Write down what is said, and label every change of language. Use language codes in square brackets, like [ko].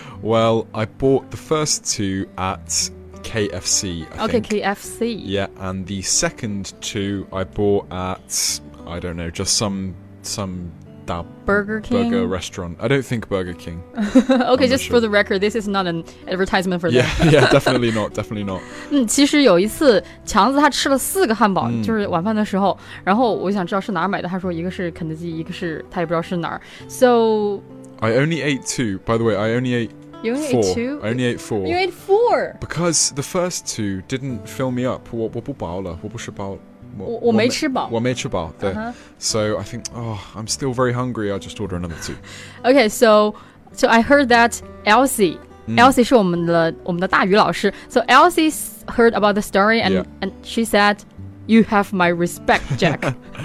[en] Well, I bought the first 2 at KFC, I think. KFC. Yeah, and the second 2 I bought at, I don't know, just some... That Burger King? Burger restaurant. I don't think Burger King. Okay, just for the record, this is not an advertisement for them. Yeah, definitely not, definitely not. [zh] 其实有一次强子他吃了4个汉堡、就是晚饭的时候然后我想知道是哪儿买的他说一个是肯德基一个是他也不知道是哪儿 So... [en] I only ate 2, by the way, I only ate 4. You only ate 2? I only ate 4. You ate 4? Because the first 2 didn't fill me up. [zh] 我不饱了我不吃饱了我没吃饱我没吃饱对、 [en] So I think, oh, I'm still very hungry, I'll just order another 2. Okay, so I heard that Elsie [zh] 是我们的大鱼老师 [en] So Elsie heard about the story and she said, you have my respect, Jack.